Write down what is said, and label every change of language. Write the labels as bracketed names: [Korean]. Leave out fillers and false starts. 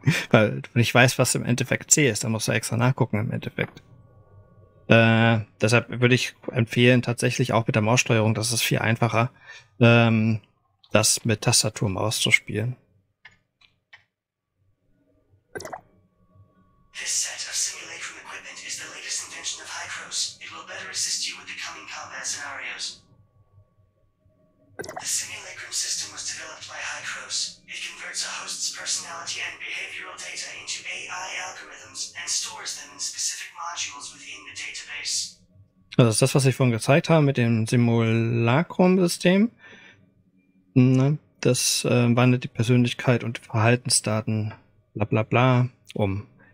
[German] Weil du nicht weißt, was im Endeffekt C ist, dann musst du extra nachgucken im Endeffekt. Deshalb würde ich empfehlen, tatsächlich auch mit der Maussteuerung, das ist viel einfacher, das mit Tastatur und Maus zu spielen. [English] This set of simulation equipment is the latest invention of Hycros. It will better assist you with the coming combat scenarios. The simulacrum system was developed by Hycros. It converts a host's personality and behavioral data into AI algorithms and stores them in specific modules within the database. [German] Also ist das, was ich vorhin gezeigt habe mit dem Simulacrum-System. Ne? Das wandelt die Persönlichkeit und die Verhaltensdaten bla bla bla um.